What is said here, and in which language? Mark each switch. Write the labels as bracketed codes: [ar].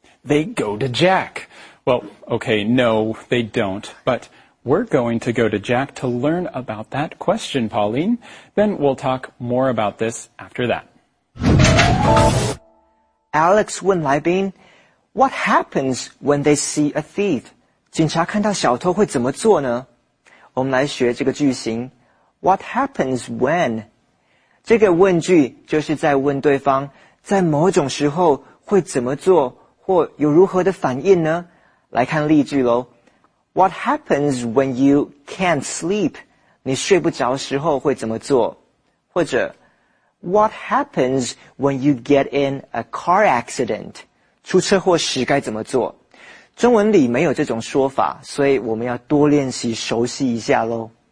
[en] They go to Jack. Well, okay, no, they don't. But we're going to go to Jack to learn about that question, Pauline. Then we'll talk more about this after that. Alex [zh] 问来宾, [en] what happens when they see a thief? [zh] 警察看到小偷会怎么做呢? 我们来学这个句型, [en] what happens when? [zh] 这个问句就是在问对方 在某种时候会怎么做或有如何的反应呢? 来看例句咯。 [en] What happens when you can't sleep? [zh] 你睡不着时候会怎么做? 或者 [en] What happens when you get in a car accident? [zh] 出车祸时该怎么做? 中文里没有这种说法, 所以我们要多练习熟悉一下喽。